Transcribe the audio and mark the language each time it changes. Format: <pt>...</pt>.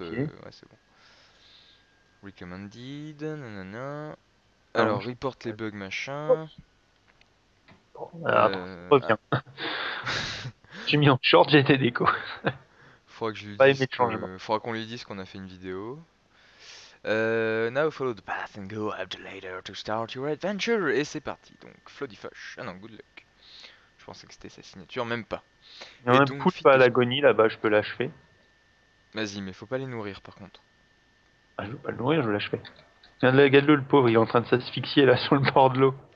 <fr>Ouais, c'est bon. Recommended, nanana. Alors, report les bugs, machin. Bon, reviens. J'ai mis en short, j'ai été déco. Faudra qu'on lui dise qu'on a fait une vidéo.</fr> <en>Now follow the path and go up the ladder to start your adventure.</en> <fr>Et c'est parti, donc Floody Fosh. Ah non,</fr> <en>good luck.</en> <fr>Je pensais que c'était sa signature, même pas. Il y a un donc, poulpe à l'agonie là-bas, je peux l'achever. Vas-y, mais faut pas les nourrir par contre. Ah, je veux pas le nourrir, je veux l'achever. Regarde-le, le pauvre, il est en train de s'asphyxier là sur le bord de l'eau.</fr>